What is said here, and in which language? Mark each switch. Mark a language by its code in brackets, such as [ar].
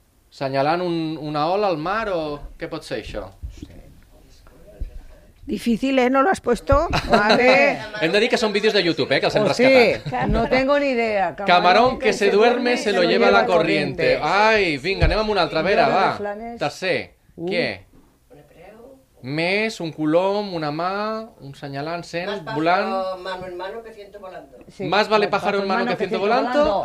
[ca] Senyalant una ola al mar o què pot ser això? [es] Difícil, ¿eh? ¿No lo has puesto? Vale. [ca] Hem de dir que són vídeos de YouTube, que els hem rescatat. [es] Sí, no tengo ni idea. Camarón que se duerme se lo lleva la corriente. [ca] Ai, vinga, anem amb una altra, a veure, va. Tercer, què? Més, un colom, una mà, un senyalant, sent, volant. [es] Más pájaro mano en mano que siento volando. Más vale pájaro en mano que siento volando.